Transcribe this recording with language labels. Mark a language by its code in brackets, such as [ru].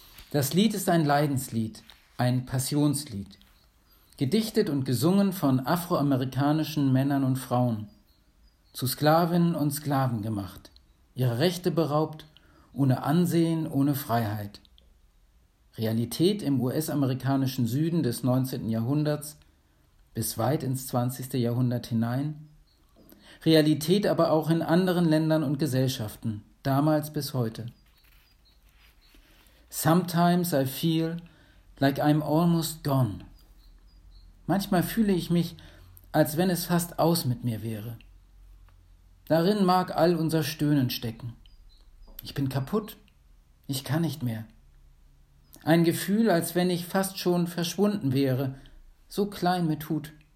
[de] Das Lied ist ein Leidenslied, ein Passionslied, gedichtet und gesungen von afroamerikanischen Männern und Frauen, zu Sklavinnen und Sklaven gemacht, ihre Rechte beraubt, ohne Ansehen, ohne Freiheit. Realität im US-amerikanischen Süden des 19. Jahrhunderts bis weit ins 20. Jahrhundert hinein, Realität aber auch in anderen Ländern und Gesellschaften, damals bis heute. [en] Sometimes I feel like I'm almost gone. [de] Manchmal fühle ich mich, als wenn es fast aus mit mir wäre. Darin mag all unser Stöhnen stecken. Ich bin kaputt, ich kann nicht mehr. Ein Gefühl, als wenn ich fast schon verschwunden wäre, so klein mir tut.